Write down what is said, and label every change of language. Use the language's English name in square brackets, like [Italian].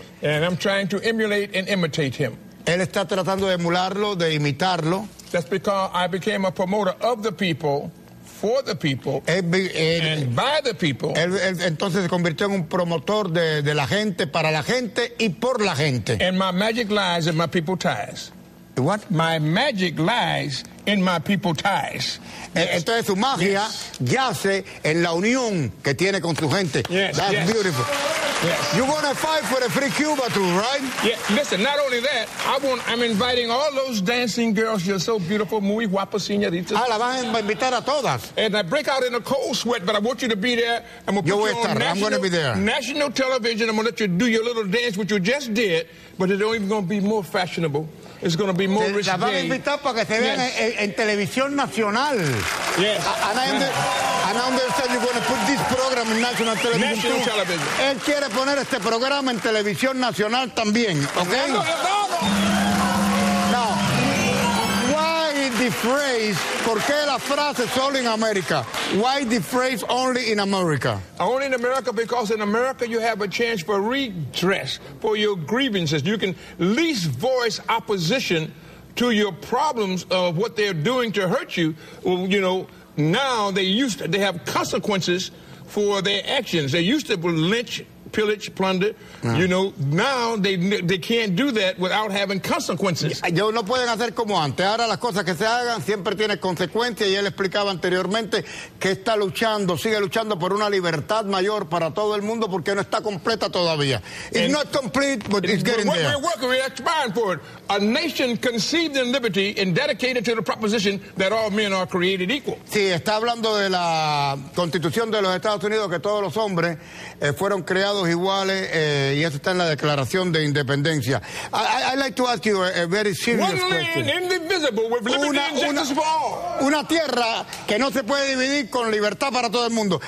[English] And I'm trying to emulate and imitate him. [Spanish] Él está tratando de emularlo, de imitarlo. [English] That's because I became a promoter of the people, for the people, and by the people. [Spanish] Él entonces se convirtió en un promotor de la gente, para la gente y por la gente. [English] And my magic lies in my people ties. What? My magic lies in my people ties. [Spanish] Entonces su magia yace en la unión que tiene con su gente. [English] Yes, that's beautiful. Yes. You want to fight for the free Cuba too, right? Yeah, listen, not only that, I'm inviting all those dancing girls. You're so beautiful, [Spanish] muy guapa, señorita. Ah, la van a invitar a todas. [English] And I break out in a cold sweat, but I want you to be there. I'm going to put you on national, I'm going to be there. National television. I'm going to let you do your little dance, which you just did, but it's only going to be more fashionable. It's going to be more risky. [Spanish] La van a invitar para que se vean en televisión nacional. [English] Yes. And I understand you're going to put this program in national television. National television. [Spanish] Él quiere poner este programa en televisión nacional también, ¿ok? [English] Now, why the phrase, [Spanish] ¿por qué la frase solo en América? [English] Why the phrase only in America? Only in America because in America you have a chance for redress for your grievances. You can least voice opposition to your problems of what they're doing to hurt you. Well, you know, now they have consequences for their actions. They used to lynch, pillage, plunder. No. You know, now they can't do that without having consequences. [Spanish] Yo no pueden hacer como antes. Ahora las cosas que se hagan siempre tienen consecuencias. Y él explicaba anteriormente que está luchando, sigue luchando por una libertad mayor para todo el mundo porque no está completa todavía. [English] It's not complete, but it's getting there. We're working, we're aspiring for it. A nation conceived in liberty and dedicated to the proposition that all men are created equal. [Spanish] Sí, está hablando de la Constitución de los Estados Unidos que todos los hombres fueron creados iguales y eso está en la Declaración de Independencia. [English] I'd like to ask you a very serious one question. One land indivisible with liberty and justice for all. [Spanish] Una tierra que no se puede dividir con libertad para todo el mundo.